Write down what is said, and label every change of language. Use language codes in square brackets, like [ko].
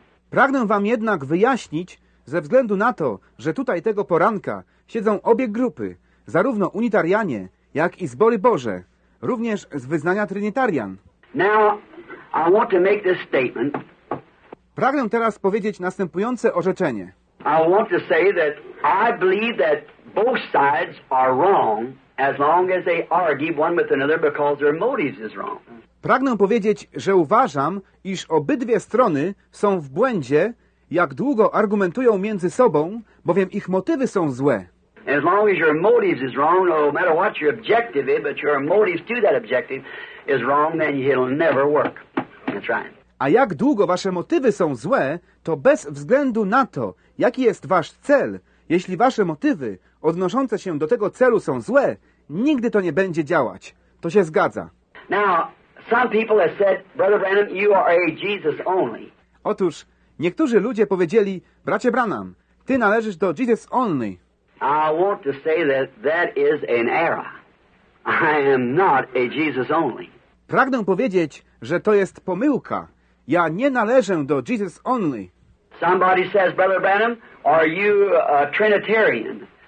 [pl] Pragnę wam jednak wyjaśnić, ze względu na to, że tutaj tego poranka siedzą obie grupy, zarówno unitarianie, jak i zbory Boże, również z wyznania trynitarian. [en] Now, I want to make this statement. [pl] Pragnę teraz powiedzieć następujące orzeczenie. [en] I want to say that I believe that both sides are wrong as long as they argue one with another because their motives is wrong. [pl] Pragnę powiedzieć, że uważam, iż obydwie strony są w błędzie, jak długo argumentują między sobą, bowiem ich motywy są złe. [en] As long as your motives is wrong, no matter what your objective is, but your motives to that objective is wrong, then it'll never work. That's right. [pl] A jak długo wasze motywy są złe, to bez względu na to, jaki jest wasz cel, jeśli wasze motywy odnoszące się do tego celu są złe, nigdy to nie będzie działać. To się zgadza. [en] Now, some people have said, Brother Branham, you are a Jesus only. [pl] Otóż, niektórzy ludzie powiedzieli, bracie Branham, ty należysz do Jesus only. [en] I want to say that that is an error. I am not a Jesus only. [pl] Pragnę powiedzieć, że to jest pomyłka. Ja nie należę do Jesus only. [en] Somebody says, Brother Branham, are you a Trinitarian?